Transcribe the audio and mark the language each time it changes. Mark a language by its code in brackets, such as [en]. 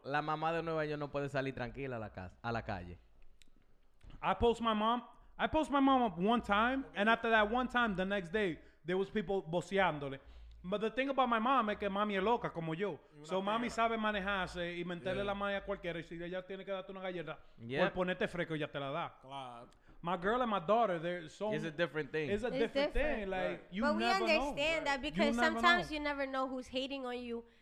[es] La mamá de Nueva York no puede salir tranquila a la calle. [en] I post my mom up one time, and after that one time, the next day, there was people boceándole. But the thing about my mom is que mami es loca, como yo. [es] So mami sabe manejarse y mentirle la madre a cualquiera. Y si ella tiene que darte una galleta, por ponerte fresco, ella te la da. Claro. [en] My girl and my daughter, they're so... It's a different thing. It's a different thing. Like, right. But we understand that because sometimes you never know who's hating on you.